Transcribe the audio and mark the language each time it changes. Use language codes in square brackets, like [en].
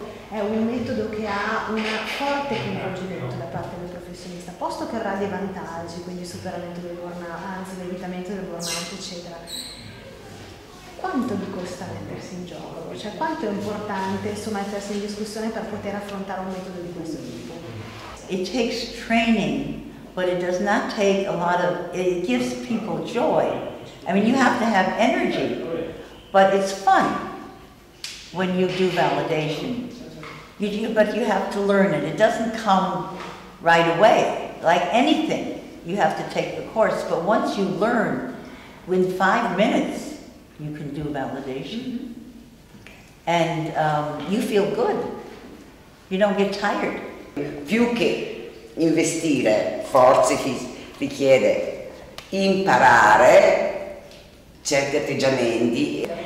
[it] È un metodo che ha un forte coinvolgimento da parte del professionista, posto che avrà dei vantaggi, quindi il superamento del burnout, anzi l'evitamento del burnout, eccetera. Quanto vi costa mettersi in gioco? Cioè quanto è importante, insomma, mettersi in discussione per poter affrontare un metodo di questo tipo? [en] It takes training, but it does not take a lot of, it gives people joy. I mean, you have to have energy, but it's fun when you do validation. You do, but you have to learn it. It doesn't come right away. Like anything, you have to take the course. But once you learn, in 5 minutes, you can do validation. Mm-hmm. And you feel good. You don't get tired. [it] Più che investire, forse richiede imparare certi atteggiamenti.